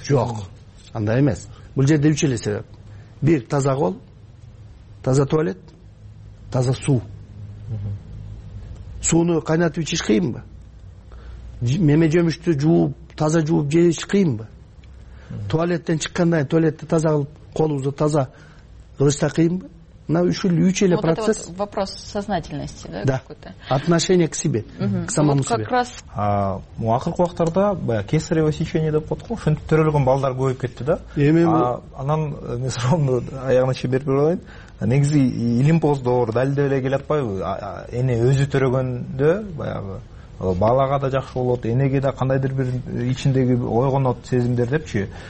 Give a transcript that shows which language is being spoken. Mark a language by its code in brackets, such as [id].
[ky] Жок. Андай эмес. Бул жерде 3 эле себеп. Бир таза кол, таза туалет, таза суу. Сууну кайнатып ичиш кыйынбы? Меме жөмүштү жууп, таза жууп жеш кыйынбы? Туалеттен чыккандан кийин туалетти таза кылып, колубузду таза кылыш да кыйынбы? Мына үч эле процесс. [ru] Вот это вот вопрос сознательности, да, да. Какой-то. Отношение к себе, к самому вот как себе. Раз... [ky] Акыркы убактарда баягы кесарево сечение деп коет го, ошентип төрөлгөн балдар көбөйүп кетти да. Анан мен суроомду аягына чейин берип алайын. Негизи илимпоз доору дал деле келе атпайбы? Эне өзү төрөгөндө баягы балага да жакшы болот, энеге да кандайдыр бир ичиндеги ойгонот сезимдер депчи.